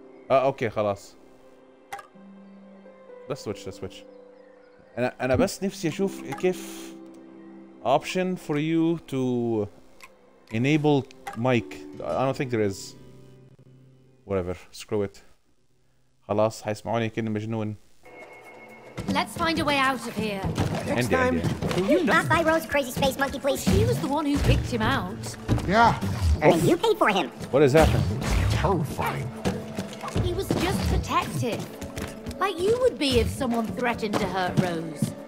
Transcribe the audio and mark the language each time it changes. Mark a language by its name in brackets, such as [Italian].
[Arabic] اوكي خلاص. [English] Let's switch. [Arabic] انا بس نفسي اشوف كيف [English] option for you to enable mic. I don't think there is. Whatever. Screw it. [Arabic] خلاص هيسمعوني كأني مجنون. [English] Let's find a way out of here. Next time, can you not buy Rose crazy space monkey, please? She was the one who picked him out. Yeah. And you paid for him. What is that? Terrifying. He was just protected. Like you would be if someone threatened to hurt Rose.